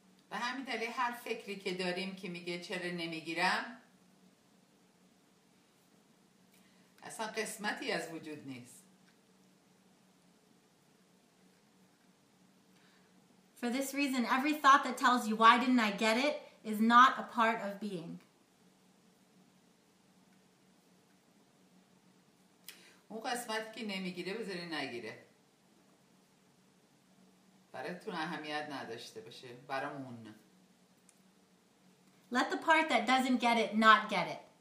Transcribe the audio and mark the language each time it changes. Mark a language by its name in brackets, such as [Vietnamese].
[Persian] و همین دلیل هر فکری که داریم که میگه چرا نمیگیرم اصلا قسمتی از وجود نیست. [English] For this reason, every thought that tells you why didn't I get it is not a part of being. [Persian] اون قسمتی که نمیگیره بذاری نگیره. براتون اهمیت نداشته باشه. برامون. [English] Let the part that doesn't get it not get it.